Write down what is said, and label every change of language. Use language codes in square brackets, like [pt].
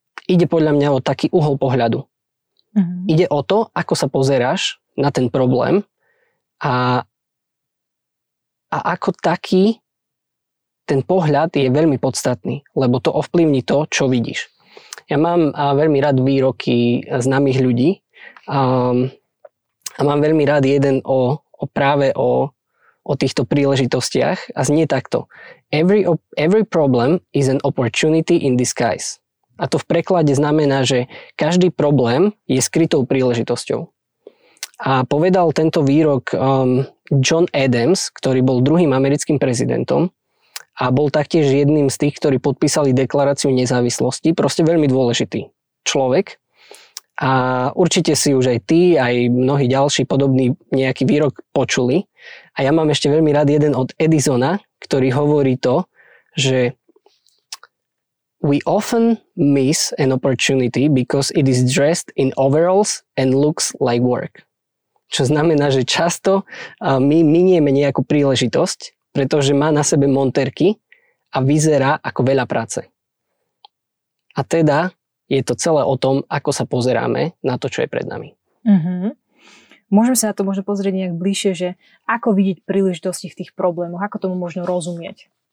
[sk] Ide podľa mňa o taký uhol pohľadu. Ide o to, ako sa pozeráš na ten problém a ako taký ten pohľad je veľmi podstatný, lebo to ovplyvní to, čo vidíš. Ja mám veľmi rád výroky známych ľudí a mám veľmi rád jeden o týchto príležitostiach a znie takto. [en] Every problem is an opportunity in disguise. [sk] A to v preklade znamená, že každý problém je skrytou príležitosťou. A povedal tento výrok John Adams, ktorý bol druhým americkým prezidentom a bol taktiež jedným z tých, ktorí podpísali deklaráciu nezávislosti. Proste veľmi dôležitý človek. A určite si už aj ty, aj mnohí ďalší podobný nejaký výrok počuli. A ja mám ešte veľmi rád jeden od Edisona, ktorý hovorí to, že [en] We often miss an opportunity because it is dressed in overalls and looks like work. [sk] Čo znamená, že často my minieme nejakú príležitosť, pretože má na sebe monterky a vyzerá ako veľa práce. A teda je to celé o tom, ako sa pozeráme na to, čo je pred nami. Mm-hmm. Môžeme sa na to možno pozrieť nejak bližšie, že ako vidieť príležitosti v tých problémoch, ako tomu možno rozumieť?